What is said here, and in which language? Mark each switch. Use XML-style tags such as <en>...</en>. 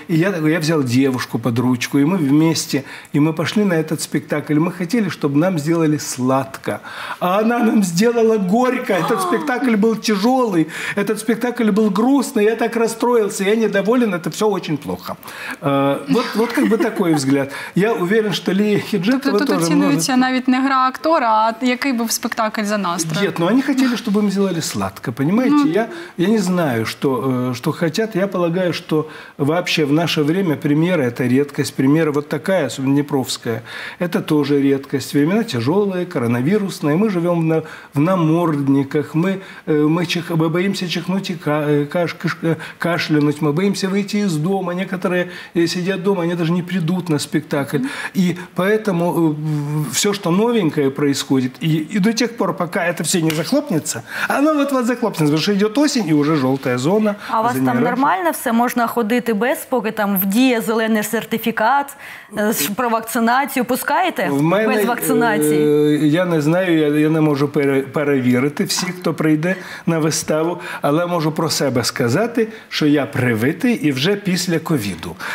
<ru>И я взял девушку под ручку, и мы вместе, и мы пошли на этот спектакль. Мы хотели, чтобы нам сделали сладко, а она нам сделала горько. Этот спектакль был тяжелый, этот спектакль был грустный, я так расстроился. Я недоволен, это все очень плохо. Вот как бы такой взгляд. Я уверен, что Лия Хиджакова</ru> <uk>тут оцінюється навіть не гра актора, а який був спектакль за настрой.</uk> <ru>Нет, но они хотели, чтобы им сделали сладко, понимаете? Ну, я не знаю, что хотят. Я полагаю, что вообще в наше время премьера – это редкость. Премьера вот такая, особенно днепровская, это тоже редкость. Времена тяжелые, коронавирусные. Мы живем в намордниках, мы боимся чихнуть и кашлянуть, мы боимся выйти из дома, некоторые сидят дома, они даже не придут на спектакль. И поэтому все, что новенькое происходит, и до тех пор, пока это все не захлопнется, оно вот-вот захлопнется, потому что идет осень, и уже желтая зона. А у вас там нормально все? Можно ходить без,</ru> <uk>поки там в Дії зелений сертификат про вакцинацию?</uk> <ru>Пускаете? Без вакцинации?</ru> <uk>Я не знаю, я не можу перевірити всіх, хто прийде на виставу, але можу про себе сказати, що я привитий і вже після ковіду.</uk>